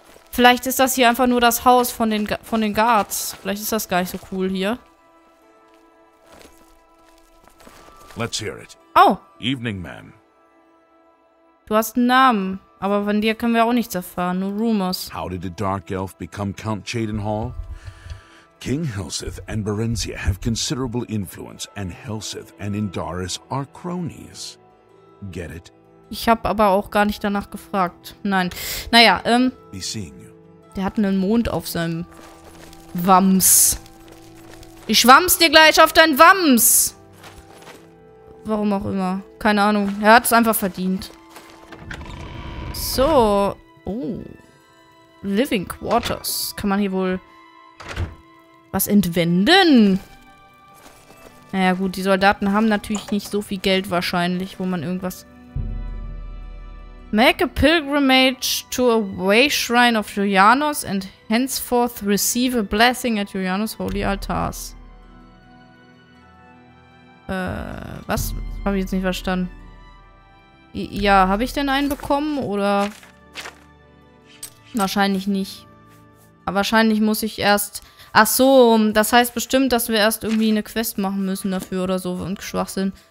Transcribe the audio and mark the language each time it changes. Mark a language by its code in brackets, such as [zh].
[de] Vielleicht ist das hier einfach nur das Haus von den, Guards. Vielleicht ist das gar nicht so cool hier. [en] Let's hear it. Oh. Evening, ma'am. [de] Du hast einen Namen, aber von dir können wir auch nichts erfahren. Nur Rumors. [en] How did the Dark Elf become Count Chadenhall? King Helseth and Berenzia have considerable influence, and Helseth and Indaris are cronies. Get it? [de] Ich habe aber auch gar nicht danach gefragt. Nein. Naja, der hat einen Mond auf seinem Wams. Ich schwamm's dir gleich auf dein Wams. Warum auch immer. Keine Ahnung. Er hat es einfach verdient. So. Oh. Living Quarters. Kann man hier wohl was entwenden? Naja, gut, die Soldaten haben natürlich nicht so viel Geld wahrscheinlich, wo man irgendwas... [en] Make a pilgrimage to a way shrine of Julianos and henceforth receive a blessing at Julianos' holy altars. [de] Was? Habe ich jetzt nicht verstanden. Ja, habe ich denn einen bekommen, oder... Wahrscheinlich nicht. Wahrscheinlich muss ich erst... Ach so, das heißt bestimmt, dass wir erst irgendwie eine Quest machen müssen dafür oder so und Schwachsinn.